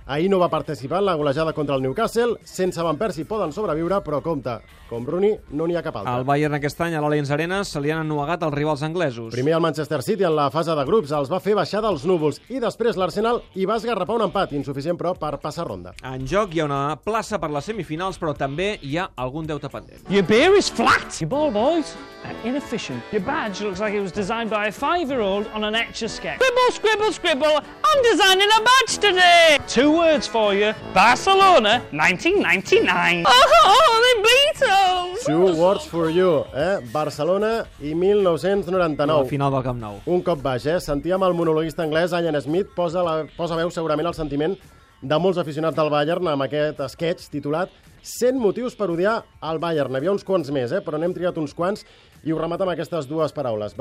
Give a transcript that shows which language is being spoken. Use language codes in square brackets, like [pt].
[ca] Ahir no va participar en la golejada contra el Newcastle. Sense Van Persie poden sobreviure, però compte, com Rooney, no n'hi ha cap altre. Al Bayern aquest any, a l'Allianz Arena, se li han ennuegat els rivals anglesos. Primer el Manchester City en la fase de grups, els va fer baixar dels núvols, i després l'Arsenal hi va esgarrapar un empat, insuficient però per passar ronda. En joc hi ha una plaça per les semifinals, però també hi ha algun deute pendent. [en] Your beer is flat! Your ball, boys, are inefficient. Your badge looks like it was designed by a 5-year-old on an etch-a-sketch. Scribble, scribble, scribble, I'm designing a badge today! Two words for you, Barcelona, 1999. Oh, they beat us! Two words for you, Barcelona i 1999. [ca] La final del Camp Nou. Un cop baix, Sentíem el monologuista anglès, Ian Smith, posa veu segurament el sentiment de molts aficionats del Bayern amb aquest sketch titulat 100 motius per odiar el Bayern. N'hi havia uns quants més, però n'hem triat uns quants i ho remata amb aquestes dues paraules.